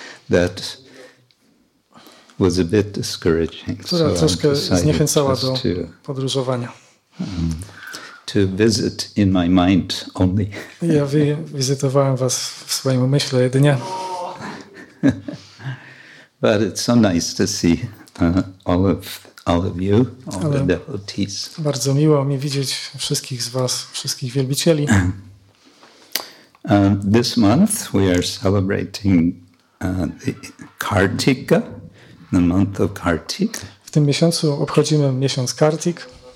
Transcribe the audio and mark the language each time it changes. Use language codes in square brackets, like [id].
[en] that was a bit discouraging. [pl] Która troszkę zniechęcała do podróżowania. [en] To visit in my mind only. [pl] Ja wizytowałem was w swoim umyśle jedynie. [en] But it's so nice to see all of you, all the devotees. [pl] Bardzo miło mi widzieć wszystkich z was, wszystkich wielbicieli. [en] This month we are celebrating the Kartika, the month of Kartik. [pl] W tym miesiącu obchodzimy miesiąc Kartik.